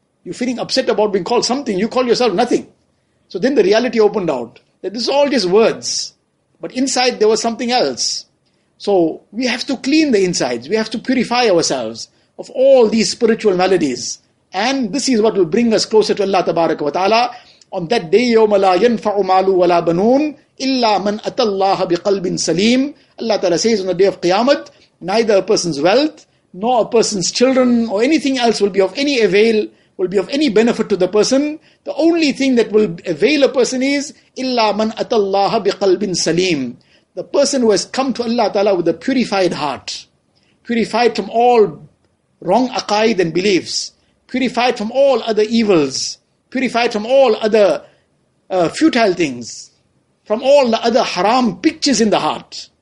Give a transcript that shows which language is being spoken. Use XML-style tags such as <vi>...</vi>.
<en>You're feeling upset about being called something. You call yourself nothing. So then the reality opened out that this is all just words. But inside there was something else. So we have to clean the insides. We have to purify ourselves of all these spiritual maladies. And this is what will bring us closer to Allah tabaraka wa ta'ala. On that day,</en> <ar>يَوْمَ لَا يَنْفَعُ مَالُ وَلَا بَنُونَ إِلَّا مَنْ أَتَى اللَّهَ بِقَلْبٍ سَلِيمٍ.</ar> <en>Allah Ta'ala says on the day of Qiyamah, neither a person's wealth, nor a person's children, or anything else will be of any avail, will be of any benefit to the person. The only thing that will avail a person is,</en> <ar>إِلَّا مَنْ أَتَى اللَّهَ بِقَلْبٍ سَلِيمٍ.</ar> <en>The person who has come to Allah Ta'ala with a purified heart, purified from all wrong aqaid and beliefs, purified from all other evils, purified from all other futile things, from all the other haram pictures in the heart.</en>